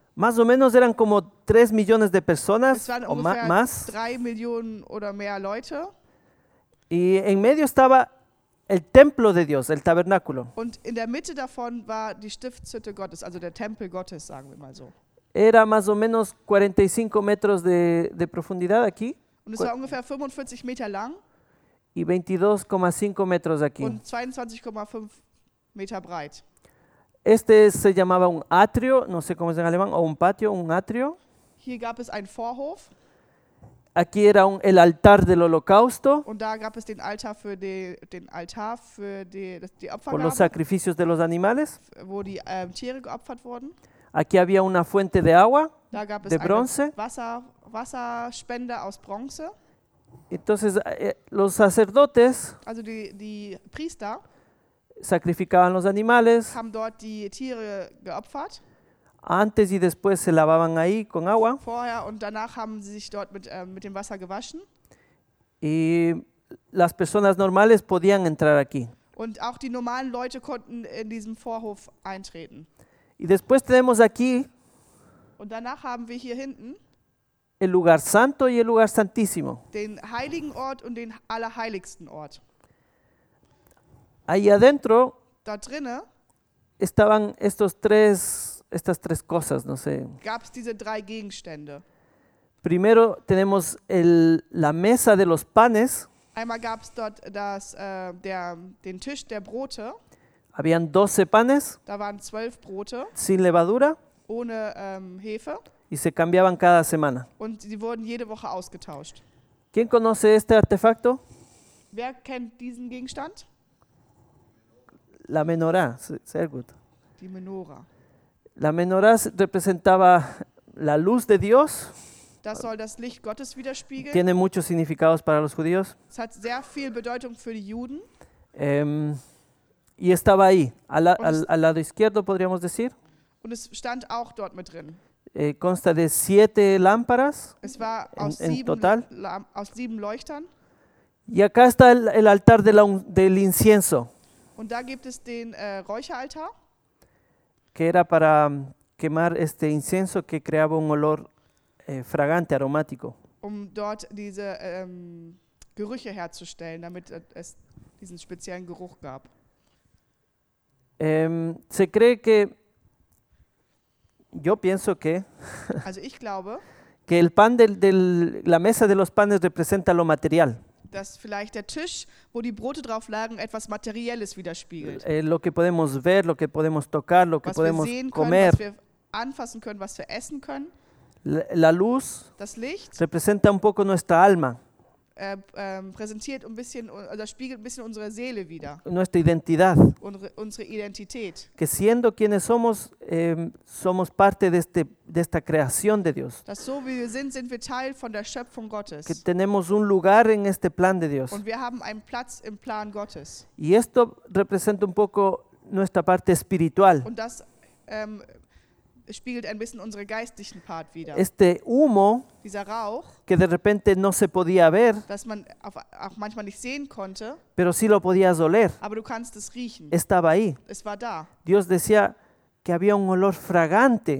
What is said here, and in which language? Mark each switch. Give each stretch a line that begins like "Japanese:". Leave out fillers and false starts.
Spanish: Más o menos eran como 3 millones de personas o más.
German: 3 Millionen oder mehr Leute.
Spanish: Y en medio estaba el templo de Dios, el tabernáculo.
German: Und in der Mitte davon war die Stiftshütte Gottes, also der Tempel Gottes, sagen wir mal so.
Spanish: Era más o menos 45 metros de profundidad aquí.
German: Und es war ungefähr 45 Meter lang.
Spanish: Y 22,5 metros aquí.
German: Und 22,5 Meter breit.
Spanish: Este se llamaba un atrio, no sé cómo es en alemán, o un patio, un atrio.
German: Hier gab es einen Vorhof.
Spanish: Aquí era el altar del holocausto.
German: Und da gab es den Altar für den Altar für die Opfergabe.
Spanish: Con los sacrificios de los animales.
German: Wo die Tiere geopfert wurden.
Spanish: Aquí había una fuente de agua,
German: da gab
Spanish: de
German: es
Spanish: bronce.
German: Wasserspende aus Bronze.
Spanish: Entonces los sacerdotes.
German: Also die Priester.
Spanish: Sacrificaban los animales.
German: Haben dort die Tiere geopfert.
Spanish: Antes y después se lavaban ahí con agua.
German: Vorher und danach haben sie sich dort mit dem Wasser gewaschen.
Spanish: Y las personas normales podían entrar aquí.
German: Und auch die normalen Leute konnten in diesem Vorhof eintreten.
Spanish: Y después tenemos aquí.
German: Und danach haben wir hier hinten.
Spanish: El lugar santo y el lugar santísimo.
German: Den heiligen Ort und den allerheiligsten Ort.
Spanish: Ahí adentro
German: da drinne
Spanish: estaban estas tres cosas, no sé.
German: Gab es diese drei Gegenstände.
Spanish: Primero tenemos la mesa de los panes.
German: Einmal gab es dort den Tisch der Brote.
Spanish: Habían 12 panes.
German: Da waren 12 Brote.
Spanish: Sin levadura.
German: Ohne Hefe.
Spanish: Y se cambiaban cada semana.
German: Und sie wurden jede Woche ausgetauscht.
Spanish: ¿Quién conoce este artefacto?
German: Wer kennt diesen Gegenstand?
Spanish: La menorá,
German: sehr gut. Die Menora.
Spanish: La menorá representaba la luz de Dios.
German: Das soll das Licht Gottes widerspiegeln.
Spanish: Tiene muchos significados para los judíos.
German: Es hat sehr viel Bedeutung für die Juden.
Spanish: Y estaba ahí, al lado izquierdo, podríamos decir.
German: Und es stand auch dort mit drin.
Spanish: Consta de 7 lámparas.
German: Es war aus 7 Leuchtern.
Spanish: Y acá está el altar del incienso.
German: Und da gibt es den Räucheraltar.
Spanish: Que era para quemar este incienso que creaba un olor fragante, aromático.
German: Um dort diese Gerüche herzustellen, damit es diesen speziellen Geruch gab.
Spanish: Se cree que, yo pienso que,
German: also ich glaube,
Spanish: que el pan del la mesa de los panes representa lo material.
German: Dass vielleicht der Tisch, wo die Brote drauf lagen, etwas Materielles widerspiegelt.
Spanish: Lo que podemos ver, lo que podemos tocar, lo que podemos comer.
German: Was wir anfassen können, was wir essen können.
Spanish: La luz.
German: Das Licht.
Spanish: Representa un poco nuestra alma.
German: Präsentiert ein bisschen, oder spiegelt ein bisschen unsere Seele wider.
Spanish: Nuestra identidad.
German: Unsere Identität.
Spanish: Que siendo quienes somos, somos parte de esta creación de Dios.
German: Dass so wie wir sind wir Teil von der Schöpfung Gottes.
Spanish: Que tenemos un lugar en este plan de Dios.
German: Und wir haben einen Platz im Plan Gottes.
Spanish: Y esto representa un poco nuestra parte espiritual.
German: Und das spiegelt ein bisschen unsere geistlichen Part wider.
Spanish: Este humo,
German: dieser Rauch,
Spanish: que de repente no se podía ver,
German: dass man auch manchmal nicht sehen konnte,
Spanish: pero sí lo podías oler.
German: Aber du kannst es riechen.
Spanish: Estaba ahí.
German: Es war da.
Spanish: Dios decía que había un olor fragante.